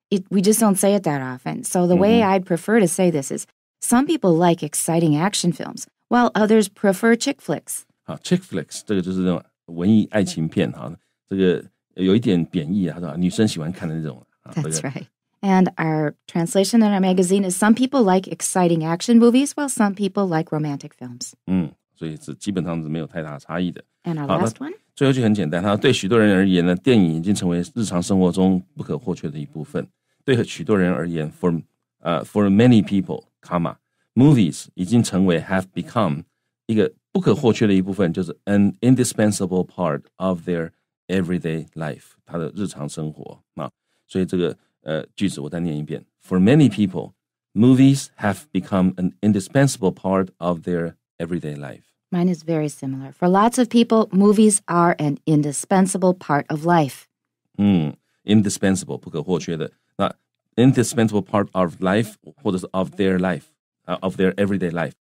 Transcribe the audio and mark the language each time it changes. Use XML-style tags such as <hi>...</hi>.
<en>We just don't say it that often. So the way I'd prefer to say this is, some people like exciting action films, while others prefer chick flicks.</en> <zh>好 ，chick flicks 这个就是那种文艺爱情片哈，这个有一点贬义啊，是吧？女生喜欢看的那种。</zh> <en>That's right. And our translation in our magazine is, some people like exciting action movies, while some people like romantic films.</en> <zh>所以是基本上是没有太大差异的。</zh> <en>And our last one.</en> <zh>最后一句很简单，它对许多人而言呢，电影已经成为日常生活中不可或缺的一部分。对许多人而言</zh> <en>for many people, comma, movies</en> <zh>已经成为</zh> <en>have become</en> <zh>一个不可或缺的一部分，就是</zh> <en>an indispensable part of their everyday life,</en> <zh>他的日常生活。啊，所以这个句子我再念一遍。</zh> <en>For many people, movies have become an indispensable part of their everyday life. Mine is very similar. For lots of people, movies are an indispensable part of life.</en> <zh>Indispensable, 不可或缺的。</zh> <en>那 indispensable part of life, 或者是 of their life,of their everyday life.</en>